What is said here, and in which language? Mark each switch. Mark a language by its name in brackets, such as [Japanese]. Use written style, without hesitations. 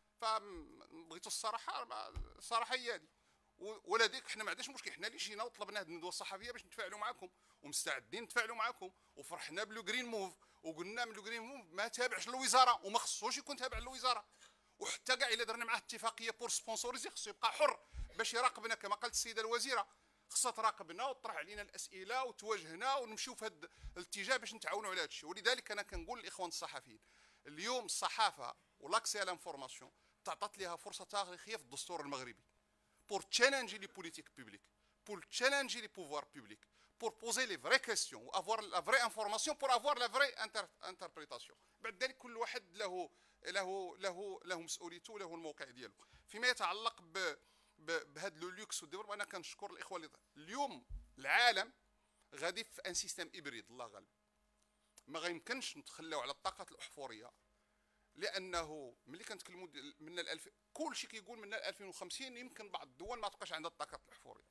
[Arabic] فبغيت الصراحه هي هذه، ولديك حنا ما عندناش مشكل، حنا اللي جينا وطلبنا هذه الندوه الصحفيه باش نتفاعلوا معكم، ومستعدين نتفاعلوا معكم، وفرحنا بلو جرين موف، وقلنا بلو جرين موف ما تابعش للوزاره وما خصوش يكون تابع للوزاره، وحتى كاع الا درنا معاه اتفاقيه بور سبونسوريزي خصو يبقى حر باش يراقبنا كما قالت السيده الوزيره، خصها تراقبنا وتطرح علينا الاسئله وتواجهنا ونمشيو في هذا الاتجاه باش نتعاونوا على هذا الشيء. ولذلك انا كنقول للاخوان الصحفيين اليوم الصحافه ولاكسي على انفورماسيون تعطات ليها فرصه تاريخيه في الدستور المغربي [French] pour challenger les politiques publiques, pour challenger les pouvoirs publics, pour poser les vraies questions, avoir la vraie information, pour avoir la vraie interprétation. [Arabic] بعدين كل واحد له له له له مسؤوليته له الموقع ديالو. فيما يتعلق بهذا لو لوكس والدبلوماسيه، انا كنشكر الاخوه اللي اليوم العالم غادي في ان سيستم ابريد الله غالب، ما غيمكنش نتخلاو على الطاقات الاحفوريه، لانه ملي كنتكلموا من الالف كل شيء كيقول من 2050 يمكن بعض الدول ما تبقاش عندها الطاقات الاحفوريه.